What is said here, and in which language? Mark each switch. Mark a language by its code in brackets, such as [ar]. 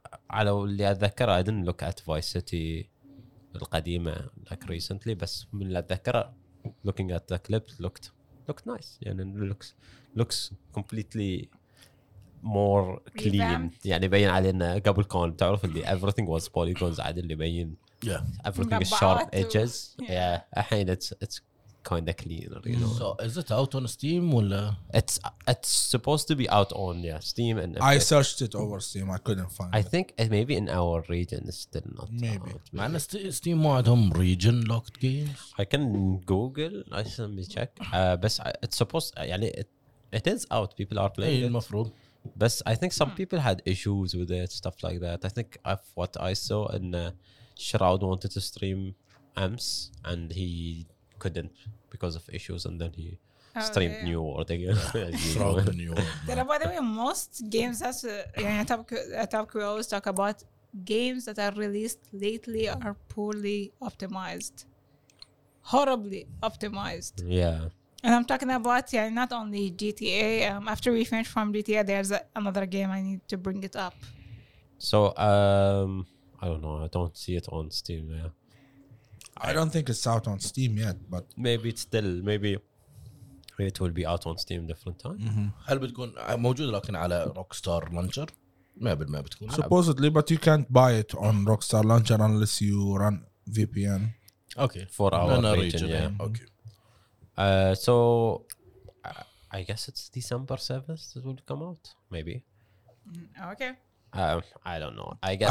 [ar] على اللي أتذكره [en] I didn't look at Vice City [ar] القديمة [en] like recently [ar] بس من اللي أتذكره [en] looking at the clip looked nice [ar] يعني [en] looks completely more clean [ar] يعني يبين علينا قبل كون تعرف اللي [en] everything was polygons [ar] عادل اللي يبين [en] everything is sharp edges [ar] الحين [en] it's kind of cleaner so is it out on Steam [ar] ولا [en] it's supposed to be out on Steam and I searched it over Steam I couldn't find I think maybe in our region it's still not maybe [ar] معناه Steam ما عندهم [en] region locked games I can google I can check [ar] بس [en] it's supposed [ar] يعني [en] it is out people are playing it [ar] المفروض بس [en] I think some people had issues with it stuff like that I think of what I saw and Shroud wanted to stream Ems and he couldn't because of issues and then he streamed New World again. Then, by the way, most games that's a topic we always talk about, games that are released lately are poorly optimized. Horribly optimized. Yeah. And I'm talking about not only GTA. After we finish from GTA, there's another game I need to bring it up. So, I don't know. I don't see it on Steam. Yeah. I don't think it's out on Steam yet, but maybe it's still maybe it will be out on Steam a different time. [ar] هل بتكون موجود لكن على Rockstar Launcher؟ ما بتكون. [en] Supposedly, but you can't buy it on Rockstar Launcher unless you run VPN. Okay, for our region. Okay. So I guess it's December 7th that will come out. Maybe. Okay. I don't know. I guess